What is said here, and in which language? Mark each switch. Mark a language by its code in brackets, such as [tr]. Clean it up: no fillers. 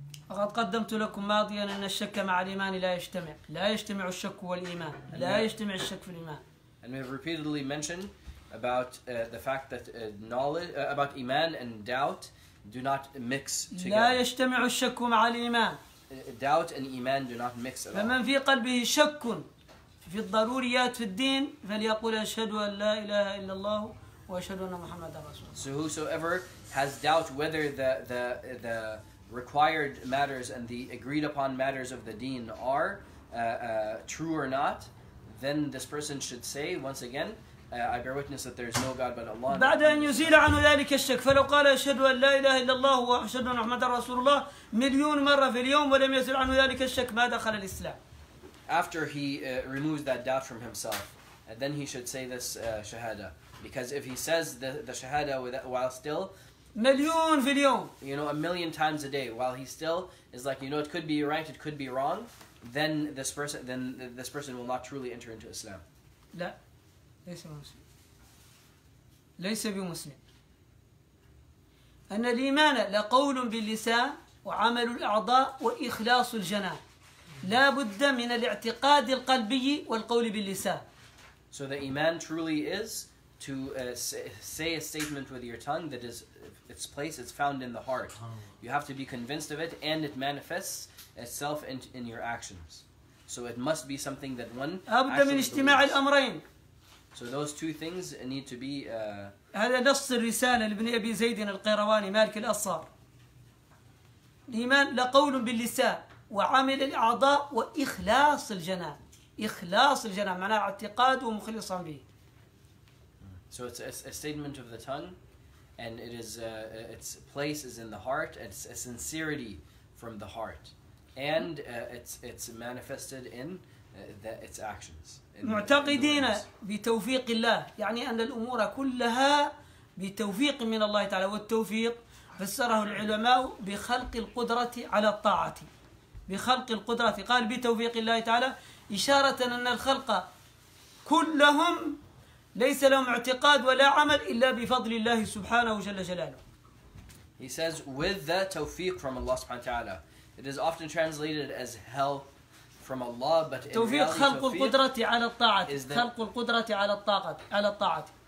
[ar] وقد قدمت لكم ماضيا ان الشك مع الايمان لا يجتمع لا يجتمع الشك والايمان لا يجتمع الشك في الايمان. [en] And we have repeatedly mentioned about the fact that knowledge about iman and doubt do not mix together. [ar] لا يجتمع الشك مع الإيمان. [en] Doubt and iman do not mix at all. [ar] فمن في قلبه شك في الضروريات في الدين فليقول أشهد أن لا إله إلا الله وأشهد أن محمد رسول الله. [en] So whosoever has doubt whether the required matters and the agreed upon matters of the deen are true or not, then this person should say once again I bear witness that there is no God but Allah. [ar] بعد أن يزيل عنه ذلك الشك فلو قال أشهد أن لا إله إلا الله وأشهد أن محمد رسول الله مليون مرة في اليوم ولم يزيل عنه ذلك الشك ما دخل الإسلام. [en] After he removes that doubt from himself, then he should say this shahada. Because if he says the shahada while still, [ar] مليون في اليوم, [en] you know, a million times a day, while he still is like, you know, it could be right, it could be wrong, then this person will not truly enter into Islam. [ar] لا ليس بمسلم. ليس بمسلم. أن الإيمان لقول باللسان وعمل الأعضاء وإخلاص الجنان. لا بد من الاعتقاد القلبي والقول باللسان. [en] So the iman truly is to say a statement with your tongue that is its place is found in the heart. You have to be convinced of it, and it manifests itself in your actions. So it must be something that one. [ar] لا بد من اجتماع الأمرين. [en] So those two things need to be. [ar] هذا نص الرسالة لابن أبي زيد القيرواني مالك الأصار. الإيمان لقول باللسان وعمل الأعضاء وإخلاص الجنان. إخلاص الجنان معناه اعتقاد ومخلصا به. [en] So it's a statement of the tongue, and it is its place is in the heart. It's a sincerity from the heart, and it's manifested in its actions. [ar] معتقدين بتوفيق الله يعني أن الأمور كلها بتوفيق من الله تعالى والتوفيق فسره العلماء بخلق القدرة على الطاعة بخلق القدرة قال بتوفيق الله تعالى إشارة أن الخلق كلهم ليس لهم اعتقاد ولا عمل إلا بفضل الله سبحانه جل جلاله. [en] He says with the tawfiq from Allah subhanahu wa ta'ala. It is often translated as help from Allah, but in [ar] توفيق [en] reality, [ar] خلق القدرة على الطاعة خلق القدرة على الطاقة على الطاعة